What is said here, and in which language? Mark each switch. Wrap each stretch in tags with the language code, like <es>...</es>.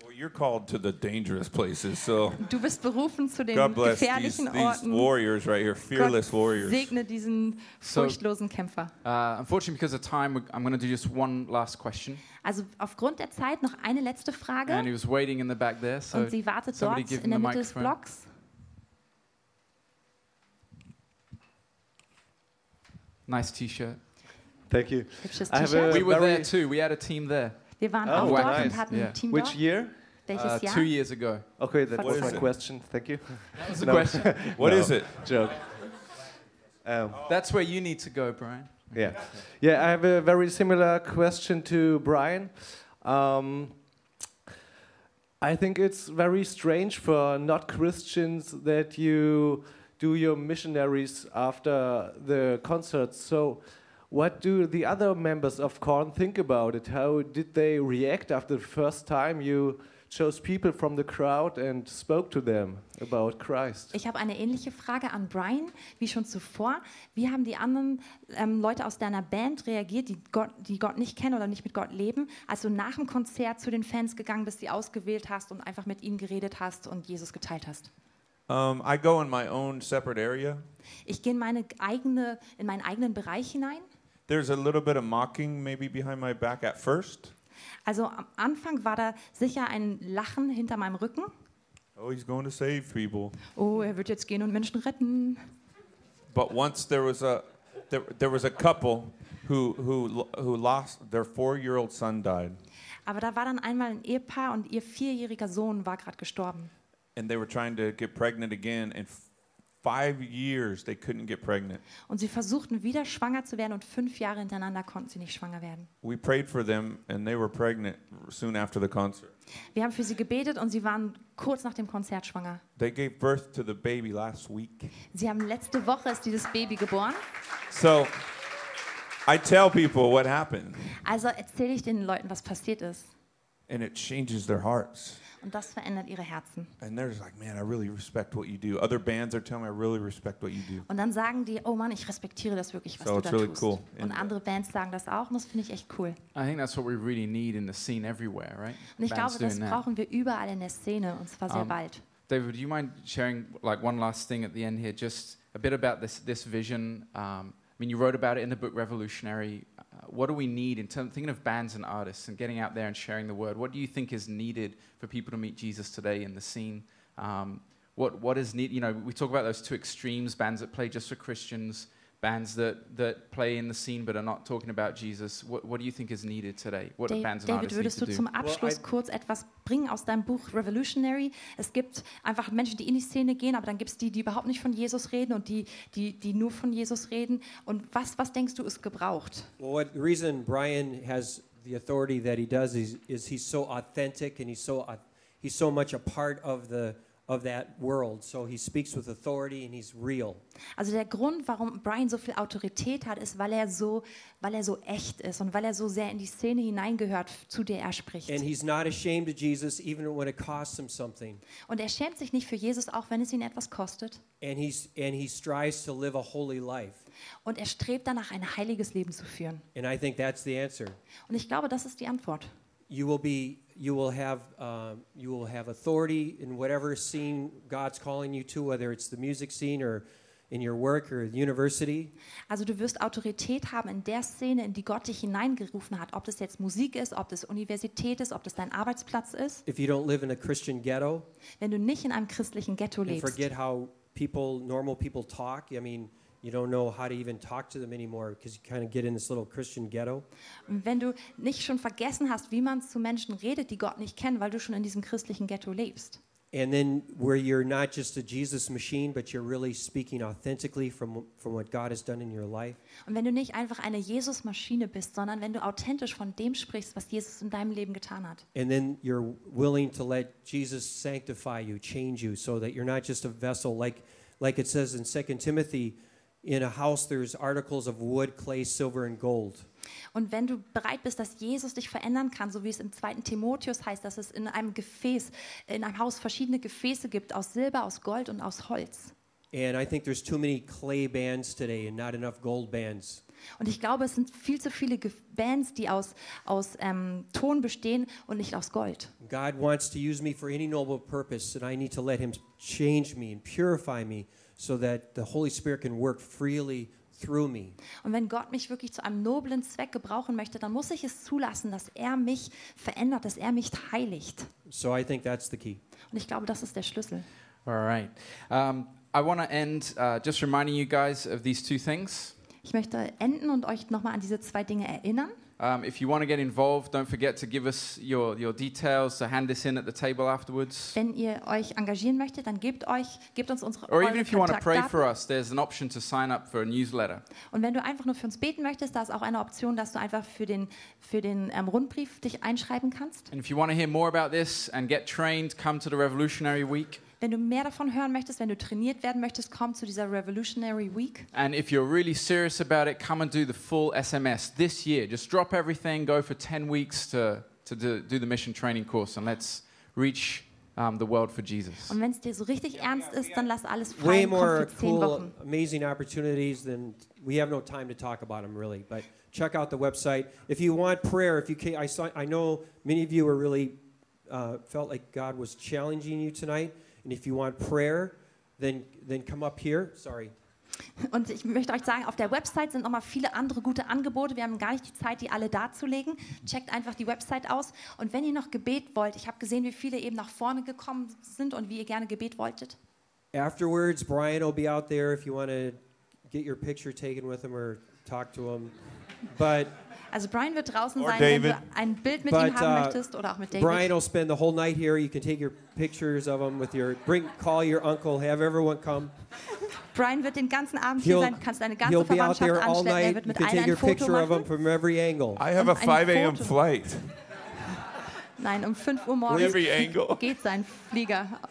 <en>Well, you're called to the dangerous places, so.</en> <de>Du bist berufen zu den gefährlichen Orten.</de> <en>God bless these warriors right here, fearless warriors.</en> <de>Gott segne diesen furchtlosen Kämpfer.</de> <en>Unfortunately, because of time, I'm going to do just one last question.</en> <de>Also aufgrund der Zeit noch eine letzte Frage.</de> <en>And he was waiting in the back there, so.</en> <de>Und sie wartet dort in der Mitte des Blocks.</de> <en>Nice T-shirt. Thank you. I have we were there too. We had a team there. Wir waren auch dort und hatten ein Team. Which year? 2 years ago. Okay, that was my question. Thank you. That was the question. What is it? Joke. That's where you need to go, Brian. Yeah. Yeah, I have a very similar question to Brian. I think it's very strange for not Christians that you do your missionaries after the concert. So what do the other members of Korn think about it? How did they react after the first time you chose people from the crowd and spoke to them about Christ?</en> <de>Ich habe eine ähnliche Frage an Brian, wie schon zuvor. Wie haben die anderen Leute aus deiner Band reagiert, die Gott nicht kennen oder nicht mit Gott leben, als du nach dem Konzert zu den Fans gegangen bist, die ausgewählt hast und einfach mit ihnen geredet hast und Jesus geteilt hast?</de> <en>I go in my own separate area.</en> <de>Ich gehe in meinen eigenen Bereich hinein.</de> <en>There's a little bit of mocking maybe behind my back at first.</en> <de>Also am Anfang war da sicher ein Lachen hinter meinem Rücken.</de> <en>Oh, he's going to save people.</en> <de>Oh, er wird jetzt gehen und Menschen retten.</de> <en>But once there was a couple who lost their 4-year-old son died.</en> <de>Aber da war dann einmal ein Ehepaar und ihr 4-jähriger Sohn war gerade gestorben.</de> <en>And they were trying to get pregnant again and 5 years they couldn't get pregnant.</en> <de>Und sie versuchten wieder schwanger zu werden und 5 Jahre hintereinander konnten sie nicht schwanger werden.</de> <en>We prayed for them and they were pregnant soon after the concert.</en> <de>Wir haben für sie gebetet und sie waren kurz nach dem Konzert schwanger.</de> <en>They gave birth to the baby last week.</en> <de>Sie haben letzte Woche ist dieses Baby geboren.</de> <en>So I tell people what happened.</en> <de>Also erzähle ich den Leuten, was passiert ist.</de> <en>And it changes their hearts.</en> <de>Und das verändert ihre Herzen.</de> <en>And they're just like, man, I really respect what you do. Other bands are telling me, I really respect what you do.</en> <de>Und dann sagen die, oh Mann, ich respektiere das wirklich, was</de> <en>so</en> <de>du</de> <en>it's</en> <de>da</de> <en>really</en> <de>tust.</de> <en>Cool.</en> <de>Und andere Bands sagen das auch, und das finde ich echt cool.</de> <en>I think that's what we really need in the scene everywhere, right?</en> <de>Und ich glaube, das brauchen wir überall in der Szene, und zwar sehr bald.</de> <en>David, do you mind sharing like one last thing at the end here, just a bit about this vision? I mean, you wrote about it in the book Revolutionary. What do we need in terms of thinking of bands and artists and getting out there and sharing the word? What do you think is needed for people to meet Jesus today in the scene? What is needed? You know, we talk about those two extremes, bands that play just for Christians, bands that play in the scene but are not talking about Jesus. What do you think is needed today? What do bands and artists need to do?</en> <de>David, würdest du zum Abschluss kurz etwas bringen aus deinem Buch Revolutionary? Es gibt einfach Menschen, die in die Szene gehen, aber dann gibt es die überhaupt nicht von Jesus reden und die nur von Jesus reden. Und was denkst du, ist gebraucht?</de> <en>Well, the reason Brian has the authority that he does is he's so authentic and he's so much a part of the of that world, so he speaks with authority and he's real.</en> <de>Also der Grund, warum Brian so viel Autorität hat, ist, weil er so echt ist und weil er so sehr in die Szene hineingehört, zu der er spricht.</de> <en>And he's not ashamed of Jesus, even when it costs him something.</en> <de>Und er schämt sich nicht für Jesus, auch wenn es ihn etwas kostet.</de> <en>And he strives to live a holy life.</en> <de>Und er strebt danach, ein heiliges Leben zu führen.</de> <en>And I think that's the answer.</en> <de>Und ich glaube, das ist die Antwort.</de> <en>You will have authority in whatever scene God's calling you to, whether it's the music scene or in your work or the university.</en> <de>Also du wirst Autorität haben in der Szene, in die Gott dich hineingerufen hat, ob das jetzt Musik ist, ob das Universität ist, ob das dein Arbeitsplatz ist.</de> <en>If you don't live in a Christian ghetto,</en> <de>wenn du nicht in einem christlichen Ghetto lebst,</de> <en>forget how normal people talk. I mean, you don't know how to even talk to them anymore because you kind of get in this little Christian ghetto.</en> <de>Wenn du nicht schon vergessen hast, wie man zu Menschen redet, die Gott nicht kennen, weil du schon in diesem christlichen Ghetto lebst.</de> <en>And then where you're not just a Jesus machine, but you're really speaking authentically from what God has done in your life.</en> <de>Und wenn du nicht einfach eine Jesus-Maschine bist, sondern wenn du authentisch von dem sprichst, was Jesus in deinem Leben getan hat.</de> <en>And then you're willing to let Jesus sanctify you, change you, so that you're not just a vessel, like it says in 2 Timothy, in a house there's articles of wood, clay, silver and gold.</en> <de>Und wenn du bereit bist, dass Jesus dich verändern kann, so wie es im 2. Timotheus heißt, dass es in einem Haus verschiedene Gefäße gibt aus Silber, aus Gold und aus Holz.</de> <en>And I think there's too many clay bands today and not enough gold bands.</en> <de>Und ich glaube, es sind viel zu viele Bands, die aus Ton bestehen und nicht aus Gold.</de> <en>God wants to use me for any noble purpose, and I need to let him change me and purify me so that the Holy Spirit can work freely through me.</en> <de>Und wenn Gott mich wirklich zu einem noblen Zweck gebrauchen möchte, dann muss ich es zulassen, dass er mich verändert, dass er mich heiligt.</de> <en>So I think that's the key.</en> <de>Und ich glaube, das ist der Schlüssel.</de> <en>All right. I want to end just reminding you guys of these two things.</en> <de>Ich möchte enden und euch nochmal an diese zwei Dinge erinnern.</de> <en>If you want to get involved, don't forget to give us your details, to hand this in at the table afterwards.</en> <de>Wenn ihr euch engagieren möchtet, dann gebt uns unsere Kontaktdaten.</de> <en>Or even if you want to pray for us, there's an option to sign up for a newsletter.</en> <de>Und wenn du einfach nur für uns beten möchtest, da ist auch eine Option, dass du einfach für den Rundbrief dich einschreiben kannst.</de> <en>And if you want to hear more about this and get trained, come to the Revolutionary Week.</en> <de>Wenn du mehr davon hören möchtest, wenn du trainiert werden möchtest, komm zu dieser Revolutionary Week.</de> <en>And if you're really serious about it, come and do the full SMS this year. Just drop everything, go for 10 weeks to do the mission training course and let's reach the world for Jesus.</en> <de>Und wenn es dir so richtig ernst ist, dann lass alles frei.</de> <en>Way more cool, amazing opportunities than we have no time to talk about them really, but check out the website. If you want prayer, I know many of you are really felt like God was challenging you tonight. And if you want prayer, then come up here. Sorry.</en> <de>Und ich möchte euch sagen, auf der Website sind nochmal viele andere gute Angebote. Wir haben gar nicht die Zeit, die alle darzulegen. Checkt einfach die Website aus. Und wenn ihr noch Gebet wollt, ich habe gesehen, wie viele eben nach vorne gekommen sind und wie ihr gerne Gebet wolltet.</de> <en>Afterwards, Brian will be out there if you want to get your picture taken with him or talk to him. But</en> <de>also Brian wird draußen sein, David. Wenn du ein Bild mit ihm haben möchtest oder auch mit David.</de> <en>Brian will spend the whole night here. You can take your pictures of him with call your uncle, have everyone come.</en> <de>Brian wird den ganzen Abend hier sein. Kannst deine ganze Verwandtschaft anstellen. Er wird mit allen ein Foto machen.</de> <en>Picture of him from every angle. I have a 5 a.m. flight.</en> <de>Nein, 5 Uhr morgens geht sein Flieger.</de>